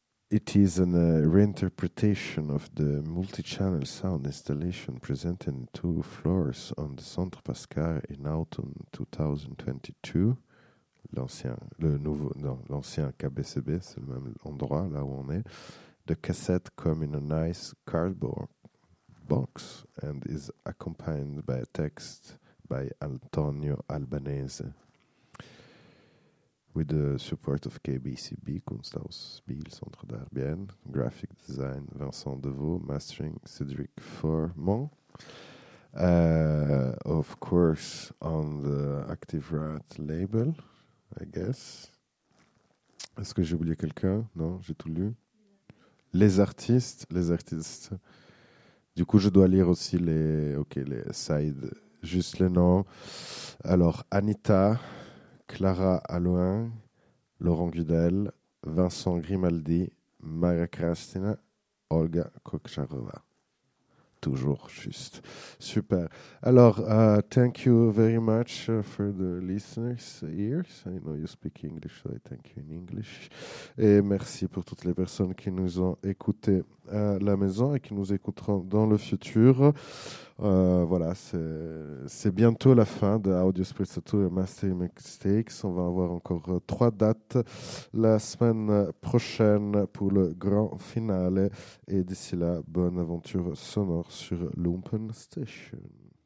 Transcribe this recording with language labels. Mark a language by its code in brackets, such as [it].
[en] It is a reinterpretation of the multi-channel sound installation presented in two floors on the Centre Pascal in autumn 2022. [fr] L'ancien KBCB, c'est le même endroit là où on est. [en] The cassette comes in a nice cardboard box and is accompanied by a text by Antonio Albanese. With the support of KBCB, Kunsthaus Biel, Centre d'Art Bienne, Graphic Design, Vincent Deveau, Mastering, Cédric Formant. Of course, on the Active Rat label, I guess. [fr] Est-ce que j'ai oublié quelqu'un? Non, j'ai tout lu. Les artistes. Du coup, je dois lire aussi les side, juste les noms. Alors, Anita... Clara Alouin, Laurent Gudel, Vincent Grimaldi, Maria Krastina, Olga Kokcharova. Toujours juste. Super. [en] Alors, thank you very much for the listeners' ears. I know you speak English, so I thank you in English. [fr] Et merci pour toutes les personnes qui nous ont écoutés à la maison et qui nous écouteront dans le futur. Voilà, c'est bientôt la fin de Audio Spritzer Tour et Mastering Mixtakes. On va avoir encore 3 dates la semaine prochaine pour le grand finale. Et d'ici là, bonne aventure sonore sur Lumpen Station.